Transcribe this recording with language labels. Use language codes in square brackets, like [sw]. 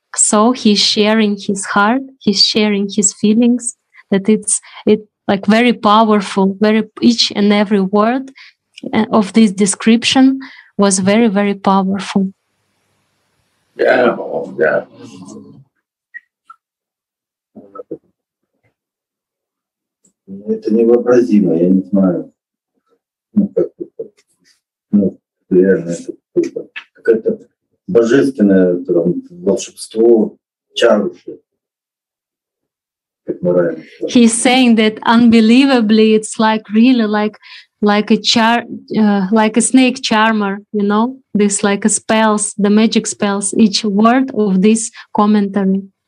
[en] So he's sharing his heart, he's sharing his feelings, that it's like very powerful, very each and every word of this description was very, very powerful. Yeah. [ru] Это невообразимо, я не знаю, ну, как это, ну, реально, это какое-то божественное там, волшебство, чарующее. [en] He's saying that unbelievably, it's like really like a char, like a snake charmer, you know, this like a spells, the magic spells, each word of this commentary.